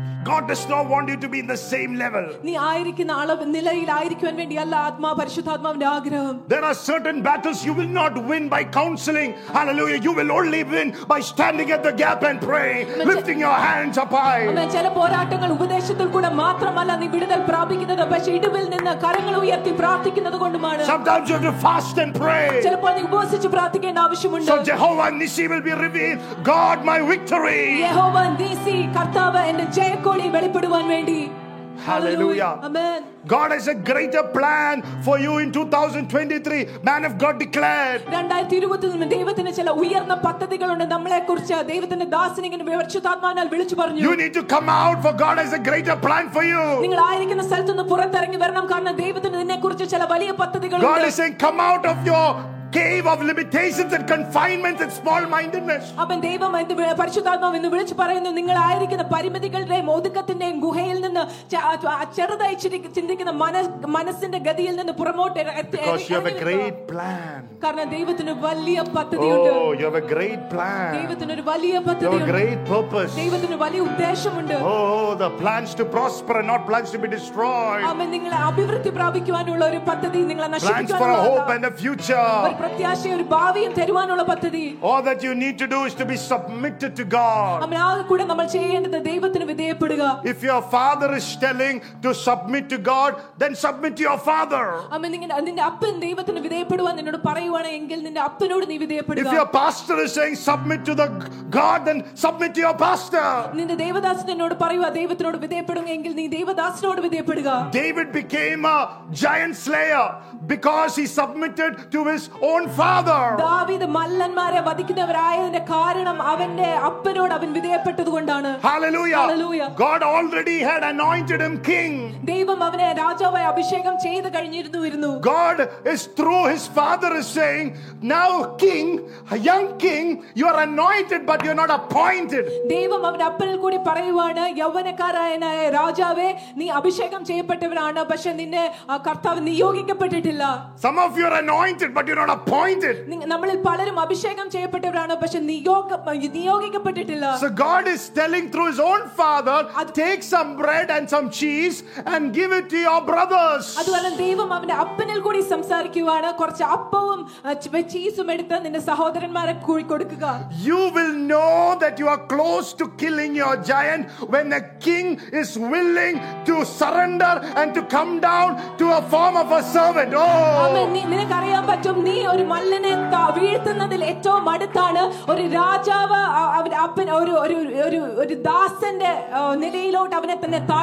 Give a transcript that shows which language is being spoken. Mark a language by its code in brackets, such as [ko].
[en] God does not want you to be in the same level. [ml] നീ ആയിരിക്കുന്ന അളവ് നിലയിൽ ആയിരിക്കാൻ വേണ്ടിയല്ല ആത്മാ പരിശുദ്ധാത്മാവിന്റെ ആഗ്രഹം. [en] There are certain battles you will not win by counseling. Hallelujah. You will only win by standing at the gap and praying, lifting your hands up high. [ml] അമേ ചില പോരാട്ടങ്ങൾ ഉപദേശത്തിൽ കൂടെ മാത്രമല്ല നീ വിടുതൽ പ്രാപിക്കുന്നത്, പക്ഷേ ഇടുവിൽ നിന്ന് കരങ്ങൾ ഉയർത്തി പ്രാർത്ഥിക്കുന്നതുകൊണ്ടുമാണ്. [en] Sometimes you have to fast and pray. [ml] ചിലപ്പോൾ നീ ഉപവസിച്ച് പ്രാർത്ഥിക്കേണ്ട ആവശ്യമുണ്ട്. [en] So Jehovah Nissi will be revealed. God my victory. [ml] Jehovah Nissi കർത്താവ് എന്റെ ജയകോടി വെളിപ്പെടുവാൻ വേണ്ടി. [en] Hallelujah. Amen. God has a greater plan for you in 2023, man of God declared. [ml] 2023 ദൈവത്തിന്റെ ചില ഉയർന്ന പദ്ധതികളുണ്ട് നമ്മളെക്കുറിച്ച്. ദൈവത്തിന്റെ ദാസനെ ഇങ്ങനെ വിവർച്ചതാത്മാവനാൽ വിളിച്ചു പറഞ്ഞു. [en] You need to come out, for God has a greater plan for you. [ml] നിങ്ങൾ ആയിരിക്കുന്ന സ്ഥലത്തുനിന്ന് പുറത്തിറങ്ങി വരണം, കാരണം ദൈവത്തിന് നിന്നെക്കുറിച്ച് ചില വലിയ പദ്ധതികളുണ്ട്. [en] God is saying, come out of your cave of limitations and confinements and small mindedness. [ml] അപ്പോൾ ദൈവം എന്ന് പരിശുദ്ധാത്മാവ് എന്ന് വിളിച്ചു പറയുന്നു, നിങ്ങൾ ആയിരിക്കുന്ന പരിമിതികളുടെ മോതുകത്തിന്റെ ഗുഹയിൽ നിന്ന്, ചെറുതായി ചിന്തിക്കുന്ന മനസ്സിന്റെ ഗതിയിൽ നിന്ന് പുറമോട്ട്. [en] Because you have a great plan. [ml] കാരണം ദൈവത്തിന് വലിയ പദ്ധതിയുണ്ട്. [en] Oh, you have a great plan. [ml] ദൈവത്തിന് ഒരു വലിയ പദ്ധതിയുണ്ട്. [en] You have a great purpose. [ml] ദൈവത്തിന് വലിയ ഉദ്ദേശമുണ്ട്. [en] Oh, the plans to prosper and not plans to be destroyed. [ml] അപ്പോൾ നിങ്ങൾ അഭിവൃദ്ധി പ്രാപിക്കാനുള്ള ഒരു പദ്ധതി നിങ്ങളെ നശിപ്പിക്കാനല്ല. [en] Plans for a hope and a future. [ml] ഒരു പ്രത്യാശയും ഒരു ഭാവിയും തരുവാനുള്ള പദ്ധതി. [en] All that you need to do is to be submitted to God. [ml] നമ്മൾ ആകെക്കൂടെ നമ്മൾ ചെയ്യേണ്ടത് ദൈവത്തിന് വിധേയപ്പെടുക. [en] If your father is telling to submit to God, then submit to your father. [ml] നിന്റെ അപ്പൻ ദൈവത്തിന് വിധേയപ്പെടുവാൻ നിന്നോട് പറയുവാണെങ്കിൽ നിന്റെ അപ്പനോട് നീ വിധേയപ്പെടുക. [en] If your pastor is saying submit to the God, then submit to your pastor. [ml] നിന്റെ ദൈവദാസൻ എന്നോട് പറയുക ദൈവത്തിനോട് വിധേയപ്പെടുവെങ്കിൽ നീ ദൈവദാസനോട് വിധേയപ്പെടുക. [en] David became a giant slayer because he submitted to his own father. [ml] ദാവീദ് മല്ലന്മാരെ വധിക്കുന്നവരായതിന്റെ കാരണം അവന്റെ അപ്പനോട് അവൻ വിധേയപ്പെട്ടതുകൊണ്ടാണ്. [en] Hallelujah. Hallelujah. God already had anointed him king. [ml] ദൈവം അവനെ രാജാവായി അഭിഷേകം ചെയ്തു കഴിഞ്ഞിരുന്നു. [en] God is through his father is saying, now king, a young king, you are anointed but you are not appointed. [ml] ദൈവം അവന്റെ അപ്പനിൽ കൂടി പറയുവാണ്, യൗവനക്കാരനായ രാജാവേ, നീ അഭിഷേകം ചെയ്യപ്പെട്ടവനാണ്, പക്ഷേ നിന്നെ കർത്താവ് നിയോഗിക്കപ്പെട്ടിട്ടില്ല. [en] Some of you are anointed but you're not appointed. [ml] നമ്മളിൽ പലരും അഭിഷേകം ചെയ്യപ്പെട്ടവരാണ്, പക്ഷേ നിയോഗിക്കപ്പെട്ടിട്ടില്ല. [en] So God is telling through his own father, take some bread and some cheese and give it to your brothers. [ml] അതുകൊണ്ട് ദൈവം അവനെ അപ്പനിൽ കൂടി സംസാരിക്കുവാണ്, കുറച്ച് അപ്പവും ചീസും എടുത്ത് നിന്റെ സഹോദരന്മാരെ കൊടുക്കുക. [en] You will know that you are close to killing your giant when a king is willing to surrender and to come down to a form of a servant. [ml] നിനക്ക് അറിയാൻ പറ്റും, നീ ഒരു മല്ലനെ വീഴ്ത്തുന്നതിൽ ഏറ്റവും അടുത്താണ്. ഒരു രാജാവ് അപ്പൻ ഒരു ഒരു ഒരു ദാസന്റെ നിലയിലോട്ട് അവനെ തന്നെ